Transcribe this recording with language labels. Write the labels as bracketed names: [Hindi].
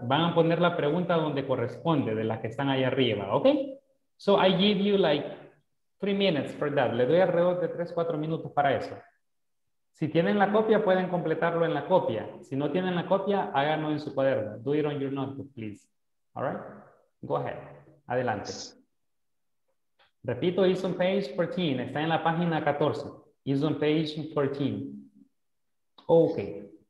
[Spanish] Van a poner la pregunta donde corresponde, de las que están ahí arriba, ¿ok? [English] So I give you like 3 minutes for that. [Spanish] Le doy alrededor de 3-4 minutes para eso. Si tienen la copia, pueden completarlo en la copia. Si no tienen la copia, háganlo en su cuaderno. [English] Do it on your notebook, please. All right? Go ahead. [Spanish] Adelante. [English] Repito, it's on page 14. [Spanish] Está en la página 14. [English] It's on page 14. Okay.